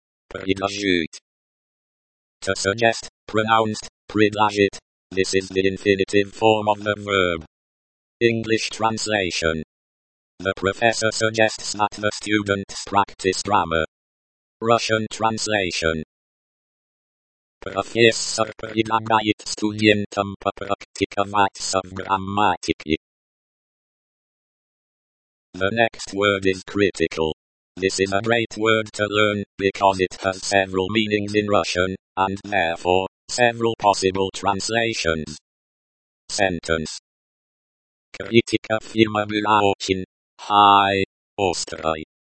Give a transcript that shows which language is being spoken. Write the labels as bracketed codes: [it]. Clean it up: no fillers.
[en] Предложить. To suggest, pronounced, предложить. This is the infinitive form of the verb. English translation. The professor suggests that the students practice grammar. Russian translation. [ru] Профессор предлагает студентам попрактиковаться в грамматике. [en] The next word is critical. This is a great word to learn, because it has several meanings in Russian, and therefore, several possible translations. Sentence. [ru] Критика фильма была очень high, острой.